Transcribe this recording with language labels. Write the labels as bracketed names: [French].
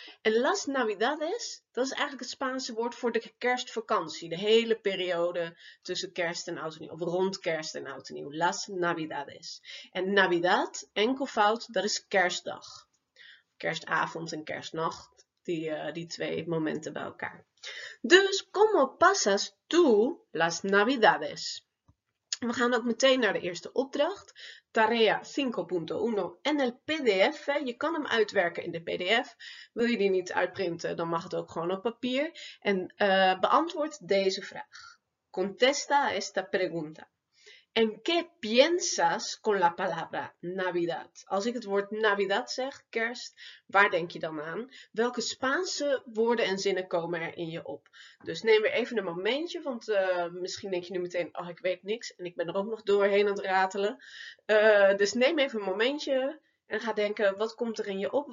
[Spanish] En las Navidades, [Dutch] dat is eigenlijk het Spaanse woord voor de kerstvakantie. De hele periode tussen kerst en oud en nieuw. Of rond kerst en oud en nieuw. [Spanish] Las Navidades. [Dutch] En Navidad, enkelvoud, dat is kerstdag. Kerstavond en kerstnacht. Die twee momenten bij elkaar. [Spanish] Dus, ¿cómo pasas tú las Navidades? [Dutch] We gaan ook meteen naar de eerste opdracht. [Spanish] Tarea 5.1 en el PDF. [Dutch] Je kan hem uitwerken in de PDF. Wil je die niet uitprinten, dan mag het ook gewoon op papier. En beantwoord deze vraag. [Spanish] Contesta esta pregunta. ¿En qué piensas con la palabra Navidad? [Dutch] Als ik het woord Navidad zeg, kerst, waar denk je dan aan? Welke Spaanse woorden en zinnen komen er in je op? Dus neem weer even een momentje, want misschien denk je nu meteen, oh, ik weet niks en ik ben er ook nog doorheen aan het ratelen. Dus neem even een momentje en ga denken, wat komt er in je op?